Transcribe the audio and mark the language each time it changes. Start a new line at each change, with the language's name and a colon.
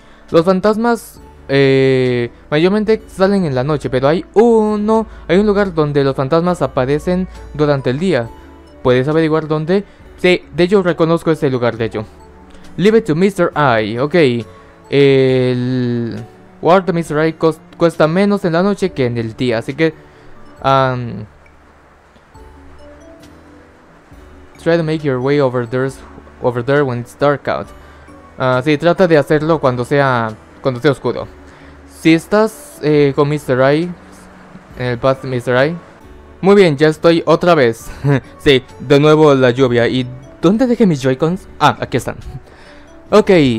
Spanish: Los fantasmas mayormente salen en la noche, pero hay un lugar donde los fantasmas aparecen durante el día. ¿Puedes averiguar dónde? Sí, de hecho reconozco ese lugar, de hecho. Leave it to Mr. Eye, ok. El Ward de Mr. Eye cuesta menos en la noche que en el día, así que...
English: Try to make your way over there when it's dark out.
Spanish: Sí, trata de hacerlo cuando sea oscuro. Si estás con Mr. Eye, en el path de Mr. Eye... Muy bien, ya estoy otra vez. Sí, de nuevo la lluvia. ¿Y dónde dejé mis Joy-Cons? Ah, aquí están. Ok.